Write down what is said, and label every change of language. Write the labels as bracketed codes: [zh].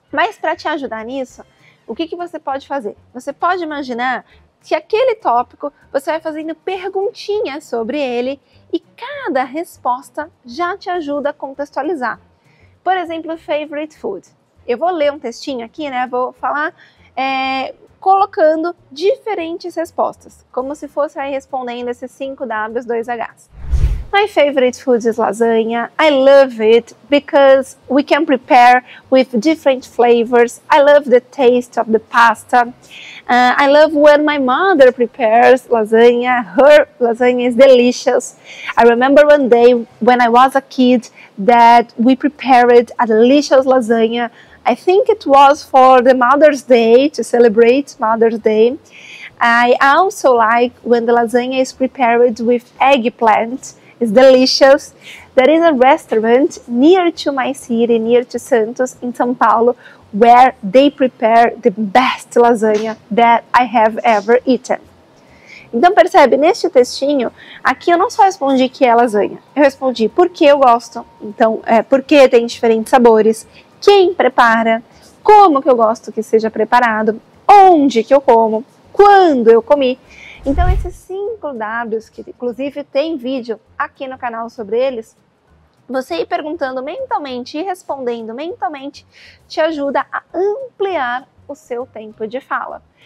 [pt] Mas para te ajudar nisso, o que você pode fazer? Você pode imaginar que aquele tópico, você vai fazendo perguntinhas sobre ele e cada resposta já te ajuda a contextualizar. Por exemplo, [en] favorite food. [pt] Eu vou ler um textinho aqui, né? Vou falar colocando diferentes respostas, como se fosse aí respondendo esses 5 W's, 2 H's. [en] My favorite food is lasagna. I love it because we can prepare with different flavors. I love the taste of the pasta. I love when my mother prepares lasagna. Her lasagna is delicious. I remember one day when I was a kid that we prepared a delicious lasagna. I think it was for the Mother's Day, to celebrate Mother's Day. I also like when the lasagna is prepared with eggplant. It's delicious. There is a restaurant near to my city, near to Santos, in São Paulo, where they prepare the best lasagna that I have ever eaten. [pt] Então percebe, neste textinho, aqui eu não só respondi que é lasanha. Eu respondi por que eu gosto, então por que tem diferentes sabores, quem prepara, como que eu gosto que seja preparado, onde que eu como, quando eu comi. Então esses 5 W's, que inclusive tem vídeo aqui no canal sobre eles, você ir perguntando mentalmente e respondendo mentalmente, te ajuda a ampliar o seu tempo de fala.